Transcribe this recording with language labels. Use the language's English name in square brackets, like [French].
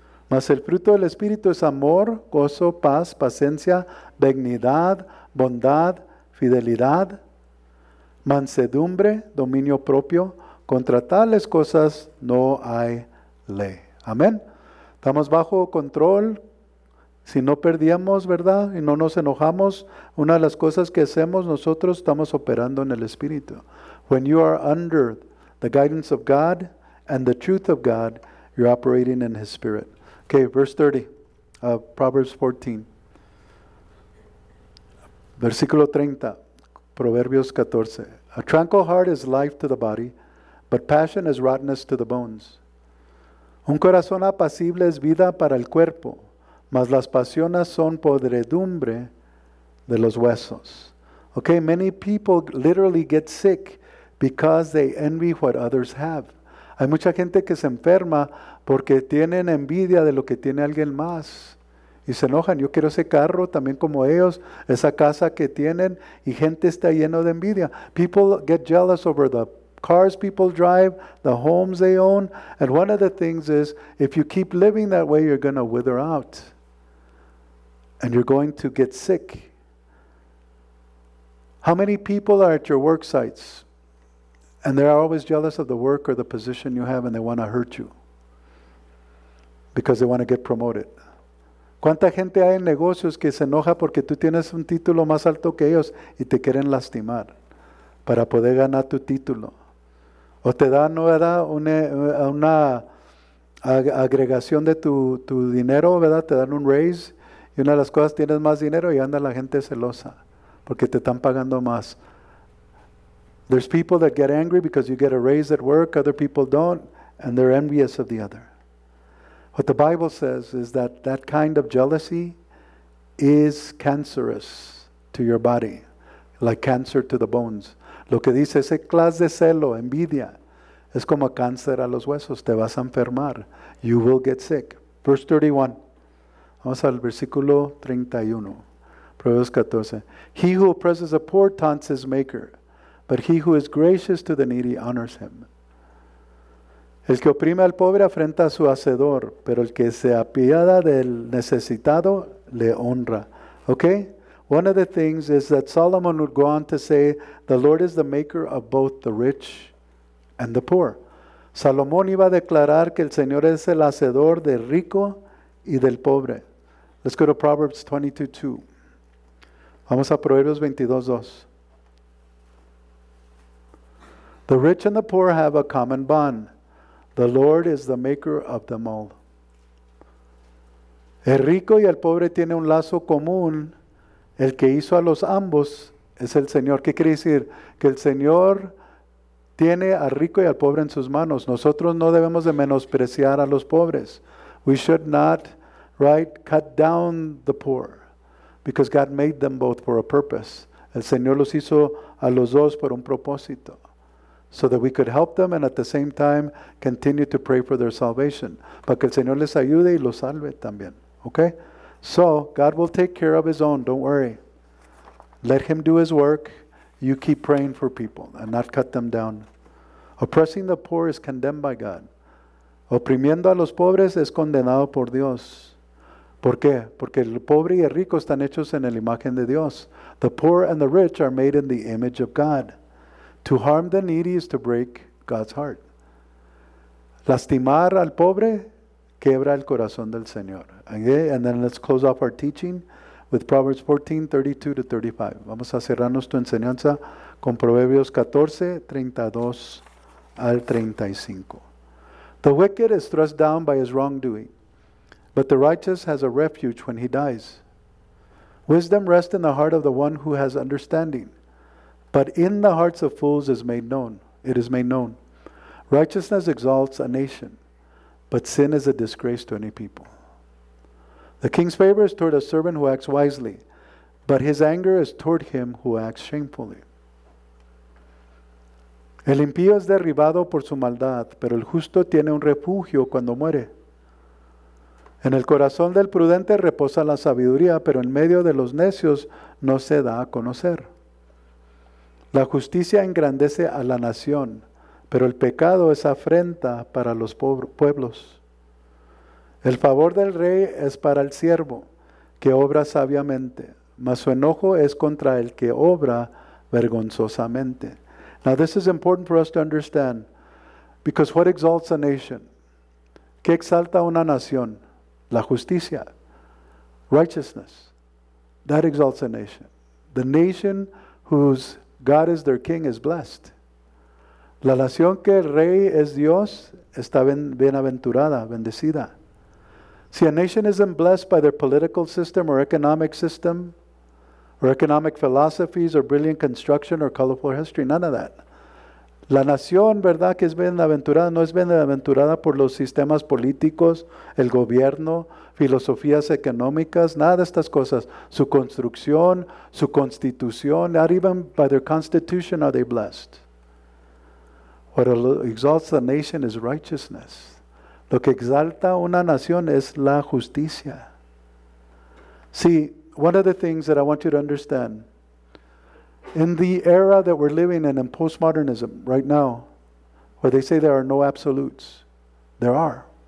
[Spanish] Mas el fruto del Espíritu es amor, gozo, paz, paciencia, benignidad, bondad, fidelidad, mansedumbre, dominio propio. Contra tales cosas no hay ley. Amén. Estamos bajo control. Si no perdíamos, ¿verdad?, y no nos enojamos, una de las cosas que hacemos nosotros, estamos operando en el Espíritu. [English] When you are under the guidance of God and the truth of God, you're operating in His Spirit. Okay, verse 30 of Proverbs 14. [Spanish] Versículo 30, Proverbios 14. [English] A tranquil heart is life to the body, but passion is rottenness to the bones. [Spanish] Un corazón apacible es vida para el cuerpo, mas las pasiones son podredumbre de los huesos. [English] Okay, many people literally get sick because they envy what others have. [Spanish] Hay mucha gente que se enferma porque tienen envidia de lo que tiene alguien más. Y se enojan, yo quiero ese carro también como ellos, esa casa que tienen, y gente está lleno de envidia. [English] People get jealous over the cars people drive, the homes they own, and one of the things is, if you keep living that way, you're going to wither out, and you're going to get sick. How many people are at your work sites, and they're always jealous of the work or the position you have, and they want to hurt you, because they want to get promoted? [Spanish] ¿Cuánta gente hay en negocios que se enoja porque tú tienes un título más alto que ellos y te quieren lastimar para poder ganar tu título? ¿O te dan una agregación de tu dinero, verdad? Te dan un raise y una de las cosas tienes más dinero y anda la gente celosa porque te están pagando más. [English] There's people that get angry because you get a raise at work, other people don't, and they're envious of the other. What the Bible says is that that kind of jealousy is cancerous to your body, like cancer to the bones. [Spanish] Lo que dice ese clase de celo, envidia, es como cáncer a los huesos. Te vas a enfermar. [English] You will get sick. Verse 31. [Spanish] Vamos al versículo 31. Proverbios 14. [English] He who oppresses the poor taunts his maker, but he who is gracious to the needy honors him. [Spanish] El que oprime al pobre afrenta a su hacedor, pero el que se apiada del necesitado le honra. [English] Okay? One of the things is that Solomon would go on to say, the Lord is the maker of both the rich and the poor. [Spanish] Salomón iba a declarar que el Señor es el hacedor del rico y del pobre. [English] Let's go to Proverbs 22:2. [Spanish] Vamos a Proverbios 22:2. [English] The rich and the poor have a common bond. The Lord is the maker of them all. [Spanish] El rico y el pobre tienen un lazo común. El que hizo a los ambos es el Señor. ¿Qué quiere decir? Que el Señor tiene al rico y al pobre en sus manos. Nosotros no debemos de menospreciar a los pobres. [English] We should not, right, cut down the poor. Because God made them both for a purpose. [Spanish] El Señor los hizo a los dos por un propósito. [English] So that we could help them and at the same time continue to pray for their salvation. [Spanish] Para que el Señor les ayude y los salve también. [English] Okay? So, God will take care of His own. Don't worry. Let Him do His work. You keep praying for people and not cut them down. Oppressing the poor is condemned by God. [Spanish] Oprimiendo a los pobres es condenado por Dios. ¿Por qué? Porque el pobre y el rico están hechos en la imagen de Dios. [English] The poor and the rich are made in the image of God. To harm the needy is to break God's heart. [Spanish] Lastimar al pobre quebra el corazón del Señor. Okay? [English] And then let's close off our teaching with Proverbs 14:32-35. [Spanish] Vamos a cerrar nuestra enseñanza con Proverbios 14:32-35. [English] The wicked is thrust down by his wrongdoing, but the righteous has a refuge when he dies. Wisdom rests in the heart of the one who has understanding. But in the hearts of fools is made known. It is made known. Righteousness exalts a nation, but sin is a disgrace to any people. The king's favor is toward a servant who acts wisely, but his anger is toward him who acts shamefully. [Spanish] El impío es derribado por su maldad, pero el justo tiene un refugio cuando muere. En el corazón del prudente reposa la sabiduría, pero en medio de los necios no se da a conocer. La justicia engrandece a la nación, pero el pecado es afrenta para los pueblos. El favor del rey es para el siervo, que obra sabiamente, mas su enojo es contra el que obra vergonzosamente. [English] Now this is important for us to understand, because what exalts a nation? [Spanish] ¿Qué exalta una nación? La justicia. Righteousness. [English] That exalts a nation. The nation whose God is their king is blessed. [Spanish] La nación que el rey es Dios está bienaventurada, bendecida. [English] See, a nation isn't blessed by their political system or economic philosophies or brilliant construction or colorful history. None of that. [Spanish] La nación, ¿verdad?, que es bienaventurada, no es bienaventurada por los sistemas políticos, el gobierno, filosofías económicas, nada de estas cosas. Su construcción, su constitución, [English] not even by their constitution are they blessed. What exalts a nation is righteousness. [Spanish] Lo que exalta una nación es la justicia. [English] See, one of the things that I want you to understand, in the era that we're living in postmodernism right now, where they say there are no absolutes, there are.